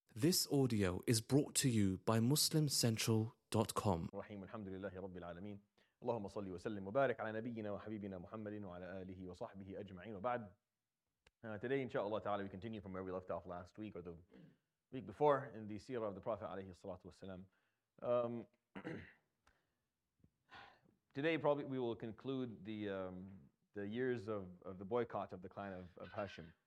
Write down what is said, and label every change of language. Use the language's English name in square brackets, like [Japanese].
[English] This audio is brought to you by MuslimCentral.com. [Arabic] الرحيم الحمد لله رب العالمين اللهم صل وسلم وبارك على نبينا وحبيبنا محمد وعلى آله وصحبه أجمعين وبعد. [English] Today, inshallah ta'ala, we continue from where we left off last week or the week before in the seerah of the Prophet [Arabic] عليه الصلاة والسلام. [English] Today, probably we will conclude the years of the boycott of the clan of Hashim.